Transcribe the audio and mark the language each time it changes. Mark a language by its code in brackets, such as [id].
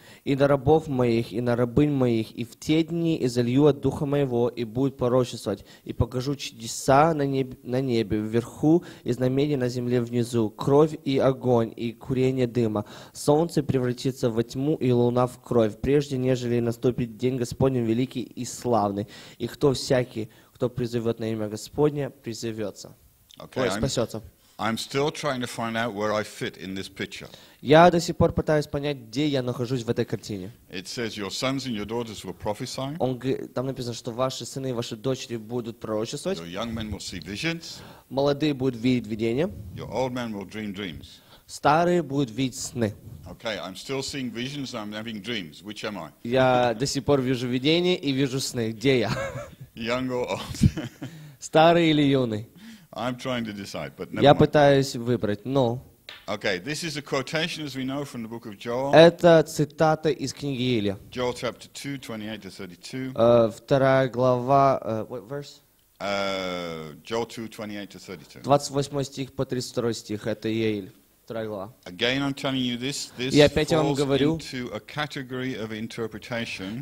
[ru] И на рабов моих, и на рабынь моих, и в те дни изолью от Духа моего, и будут пророчествовать, и покажу чудеса на небе, вверху, и знамения на земле внизу, кровь и огонь, и курение дыма. Солнце превратится во тьму, и луна в кровь, прежде нежели наступит день Господень великий и славный. И кто всякий, кто призовет на имя Господне, призовется. [en] Okay, [ru] ой, спасется. [en] I'm still trying to find out where I fit in this picture. [ru] Я до сих пор пытаюсь понять, где я нахожусь в этой картине. [en] It says your sons and your daughters will prophesy. [ru] Там написано, что ваши сыны и ваши дочери будут пророчествовать. [en] Your young men will see visions. [ru] Молодые будут видеть видения. [en] Your old men will dream dreams. [ru] Старые будут видеть сны. [en] Okay, I'm still seeing visions and I'm having dreams. Which am I? [ru] Я до сих пор вижу видения и вижу сны. Где я? [en] Young or old? [ru] Старый или юный? [en] I'm trying to decide, but never. [ru] Я пытаюсь выбрать, но. [en] Okay, this is a quotation, as we know, from the book of Joel. [ru] Это цитата из книги Иеля. [en] Joel chapter 2, 28-32. [ru] Вторая глава. [en] What verse? Joel 2:28-32. [ru] 28 стих по 32 стих. Это Иеля. Вторая глава. [en] Again, I'm telling you this. This falls into a category of interpretation.